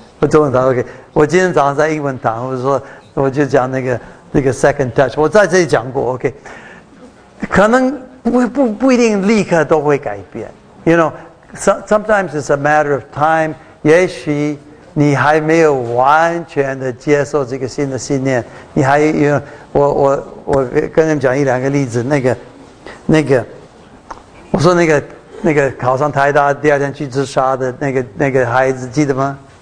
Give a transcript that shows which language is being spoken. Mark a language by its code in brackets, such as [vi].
[zh] 中文堂 OK， 我今天早上在英文堂，我说我就讲那个 second touch， 我在这里讲过 OK， 可能 不一定立刻都会改变。 [en] You know, sometimes it's a matter of time. [zh] 也许你还没有完全的接受这个新的信念，你还有 [en] you know, [zh] 我跟你们讲一两个例子。那个，我说那个考上台大第二天去自杀的那个孩子，记得吗？